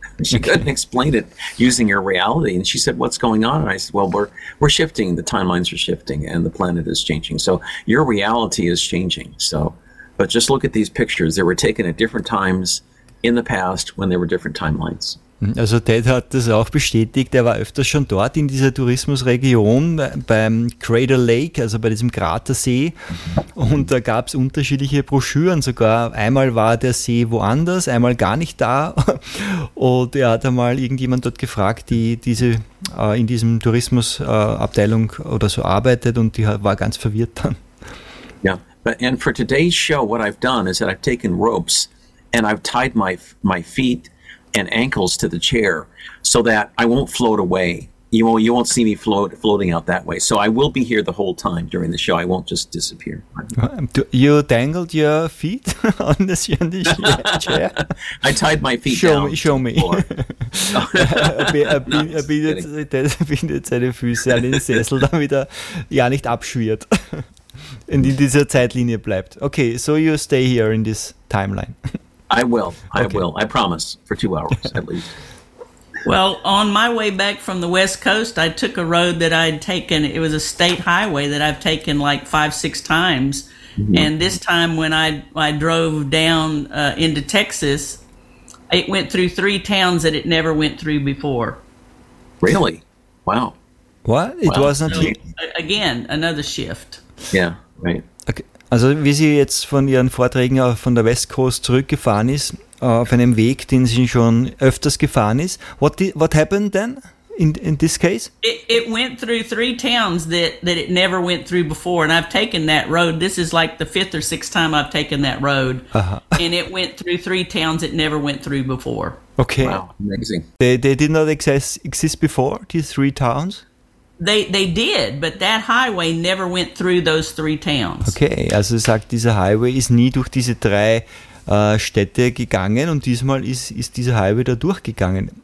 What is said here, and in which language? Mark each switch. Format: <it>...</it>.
<en>She couldn't explain it using her reality. And she said, what's going on? And I said, well, we're shifting. The timelines are shifting, and the planet is changing. So your reality is changing. So... But just look at these pictures. They were taken at different times in the past when there were different timelines.</en> <de>Also Ted hat das auch bestätigt. Er war öfters schon dort in dieser Tourismusregion beim Crater Lake, also bei diesem Kratersee. Und da gab es unterschiedliche Broschüren sogar. Einmal war der See woanders, einmal gar nicht da. Und er hat einmal irgendjemand dort gefragt, die diese in diesem Tourismusabteilung oder so arbeitet. Und die war ganz verwirrt dann. Ja.</de> <en>But and for today's show, what I've done is that I've taken ropes and I've tied my feet and ankles to the chair so that I won't float away. You won't see me floating out that way. So I will be here the whole time during the show. I won't just disappear. You dangled your feet on this chair? I tied my feet down. Show me.</en> <de>Er bindet seine Füße an den Sessel, damit er ja nicht abschwirrt.</de> <en>And</en> <de>in dieser Zeitlinie bleibt.</de> <en>Okay, so you stay here in this timeline. I will. I promise. For 2 hours, at least. Well, on my way back from the West Coast, I took a road that I'd taken. It was a state highway that I've taken like 5-6 times. Mm-hmm. And this time when I drove down into Texas, it went through 3 towns that it never went through before. Really? Wow. What? It wasn't here? Again, another shift. Yeah, right. Okay.</en> <de>Also wie sie jetzt von ihren Vorträgen von der West Coast zurückgefahren ist, auf einem Weg, den sie schon öfters gefahren ist.</de> <en>What happened then in this case? It went through 3 towns that it never went through before, and I've taken that road. This is like the 5th or 6th time I've taken that road. Uh-huh. And it went through 3 towns it never went through before. Okay. Wow, amazing. They did not exist before, these 3 towns? They did, but that highway never went through those 3 towns.</en> <de>Okay, also sagt, dieser Highway ist nie durch diese 3 Städte gegangen, und diesmal ist dieser Highway da durchgegangen.</de>